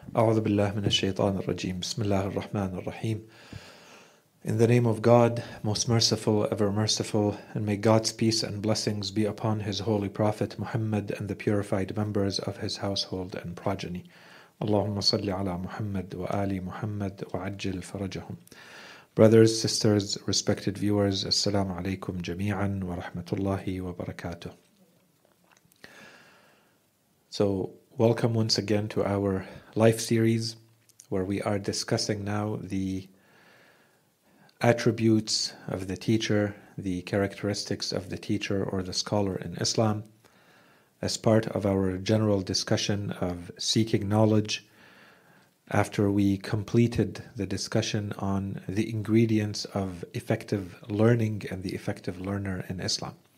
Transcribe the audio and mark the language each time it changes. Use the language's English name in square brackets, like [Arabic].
[Arabic] أعوذ بالله من الشيطان الرجيم بسم الله الرحمن الرحيم. [English] In the name of God, most merciful, ever merciful, and may God's peace and blessings be upon His holy prophet Muhammad and the purified members of his household and progeny. [Arabic] اللهم صل على محمد وآل محمد وعجل فرجهم. [English] Brothers, sisters, respected viewers, [Arabic] السلام عليكم جميعا ورحمة الله وبركاته. [English] So, welcome once again to our life series, where we are discussing now the attributes of the teacher, the characteristics of the teacher or the scholar in Islam, as part of our general discussion of seeking knowledge, after we completed the discussion on the ingredients of effective learning and the effective learner in Islam.